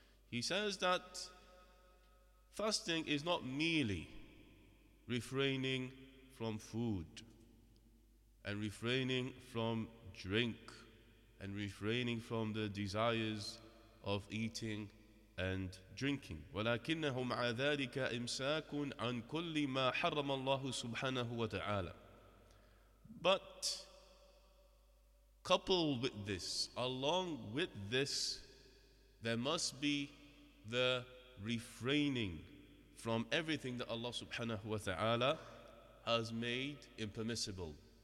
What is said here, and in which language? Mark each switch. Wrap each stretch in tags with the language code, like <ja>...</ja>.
<en>He says that fasting is not merely refraining from food and refraining from drink and refraining from the desires of eating and drinking.</en> <ar>ولكنه مع ذلك إمساك عن كل ما حرم الله سبحانه وتعالى.</ar> <en>But coupled with this, along with this, there must be the refraining from everything that Allah subhanahu wa ta'ala has made impermissible.</en>